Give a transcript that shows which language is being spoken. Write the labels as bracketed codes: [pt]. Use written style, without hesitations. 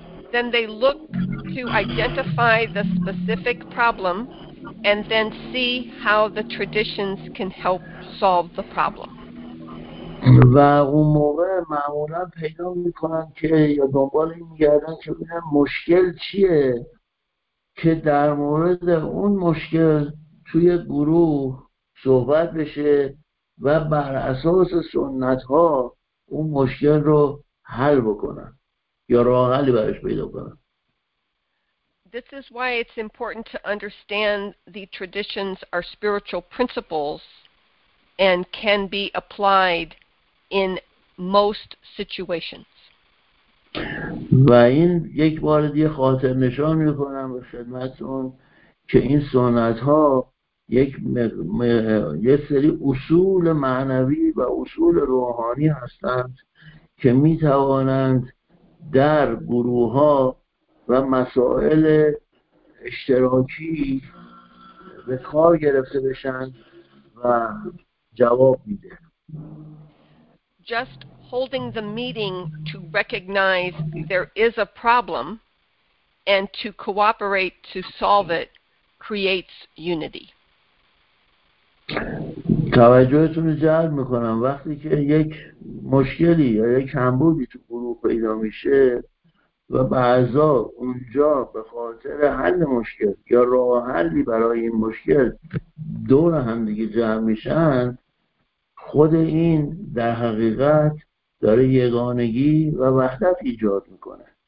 [en] Then they look to identify the specific problem and then see how the traditions can help solve the problem. [fa] و اون موقع معمولا پیدا میکنن که یا دنبال این میگردن که ببینن مشکل چیه که در مورد اون مشکل توی گروه صحبت بشه و بر اساس سنت ها اون مشکل رو حل بکنن یا راه حلی براش پیدا کنن. [en] This is why it's important to understand the traditions are spiritual principles and can be applied in most situations. [fa] و این یک بار دیگه خاطر نشان می کنم به خدمتتون که این سنت ها یک سری اصول معنوی و اصول روحانی هستند که می توانند در گروه ها و مسائل اشتراکی به کار گرفته بشن و جواب میده. [en] Just holding the meeting to recognize there is a problem and to cooperate to solve it creates unity. [fa] توجهتون رو جلب میکنم، وقتی که یک مشکلی یا یک کمبودی تو گروه پیدا میشه و بعضا اونجا به خاطر حل مشکل یا راه حلی برای این مشکل دور هم دیگه جمع میشن، خود این در حقیقت داره یگانگی و وحدت ایجاد میکنه.